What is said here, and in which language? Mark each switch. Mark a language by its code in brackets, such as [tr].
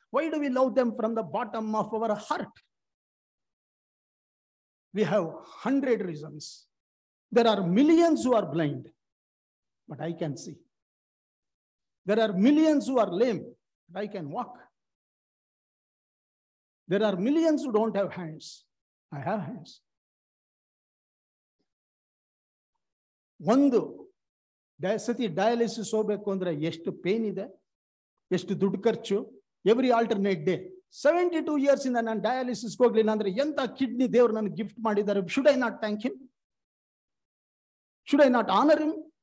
[en] Why do we love them from the bottom of our heart? We have 100 reasons. There are millions who are blind but I can see. There are millions who are lame but I can walk. There are millions who don't have hands. I have hands. [kn] ಒಂದು ಸತಿ dialysis ಹೋಗ್ಬೇಕು ಅಂದ್ರೆ ಎಷ್ಟು pain ಇದೆ, ಎಷ್ಟು ದುಡ್ಡು ಖರ್ಚು. [en] every alternate day [kn] 72 ಇಂದ ನಾನು ಡಯಾಲಿಸಿಸ್ಗೆ ಹೋಗ್ಲಿಲ್ಲ ಅಂದ್ರೆ ಎಂತ ಕಿಡ್ನಿ ದೇವ್ರು ನನಗೆ ಗಿಫ್ಟ್ ಮಾಡಿದ್ದಾರೆ? [en] Should I not thank him? Should I not honour him?